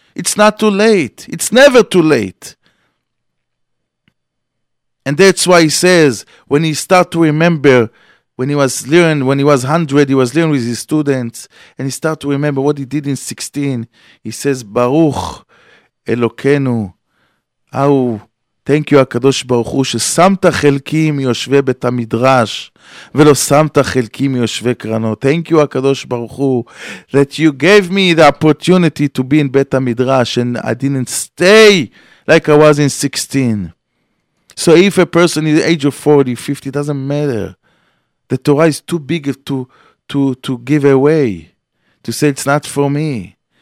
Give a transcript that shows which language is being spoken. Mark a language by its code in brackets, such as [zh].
[en] It's not too late. It's never too late. And that's why he says, when he start to remember, when he was 100, he was learning with his students, and he start to remember what he did in 16. He says, Baruch Elokeinu, how... Thank you, [he] HaKadosh Baruch Hu, ששמת חלקי מיושבי בית המדרש, ולא שמת חלקי מיושבי קרנות. [en] Thank you, HaKadosh Baruch Hu, that you gave me the opportunity to be in בית המדרש, and I didn't stay like I was in 16. So if a person is age of 40, 50, it doesn't matter. The Torah is too big to give away, to say it's not for me.